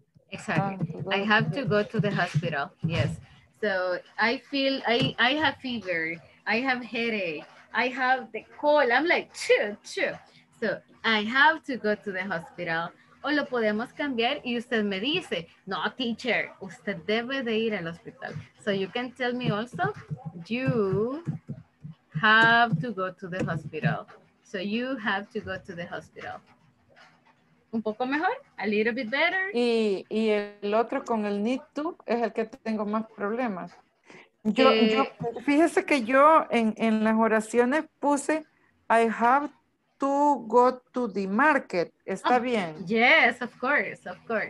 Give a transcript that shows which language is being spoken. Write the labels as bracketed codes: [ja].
[en] Exactly. I have to go to the hospital. Yes. So I feel, I have fever. I have headache. I have the cold. I'm like, choo, choo. So I have to go to the hospital. [es] O lo podemos cambiar y usted me dice, no, teacher, usted debe de ir al hospital. [en] So you can tell me also, you have to go to the hospital. So you have to go to the hospital. [es] Un poco mejor, [en] a little bit better. [es] Y el otro con el need to es el que tengo más problemas. Yo fíjese que yo en las oraciones puse [en] I have to go to the market. [es] ¿Está bien? [en] Yes, of course, of course.